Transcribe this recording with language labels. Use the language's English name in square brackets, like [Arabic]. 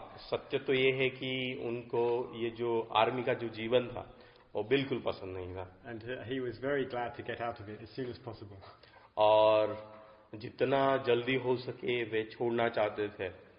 [Hindi] सत्य तो ये है कि उनको ये जो आर्मी का जो जीवन था वो बिल्कुल पसंद नहीं था. [English] And he was very glad to get out of it as soon as possible. [Hindi] और जितना जल्दी हो सके वे छोड़ना चाहते थे.